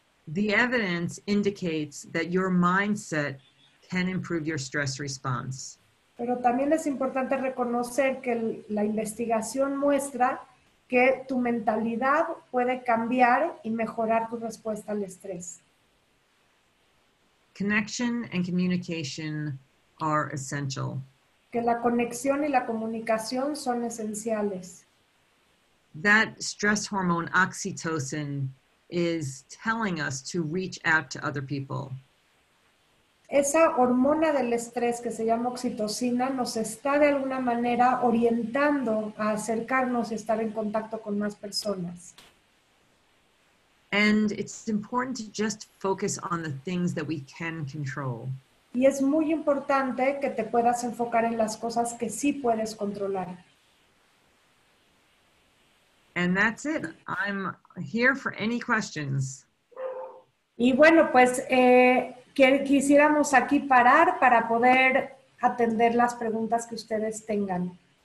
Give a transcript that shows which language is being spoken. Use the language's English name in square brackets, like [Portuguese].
[English] The evidence indicates that your mindset can improve your stress response. [Spanish] Pero también es importante reconocer que la investigación muestra que tu mentalidad puede cambiar y mejorar tu respuesta al estrés. [English] Connection and communication are essential. [Spanish] Que la conexión y la comunicación son esenciales. [English] That stress hormone, oxytocin, is telling us to reach out to other people. [Spanish] Esa hormona del estrés que se llama oxitocina nos está de alguna manera orientando a acercarnos y estar en contacto con más personas. [English] And it's important to just focus on the things that we can control. [Spanish] Y es muy importante que te puedas enfocar en las cosas que sí puedes controlar. [English] And that's it. I'm here for any questions. [Spanish] Y bueno, pues quisiéramos aquí parar para poder atender las preguntas que ustedes tengan.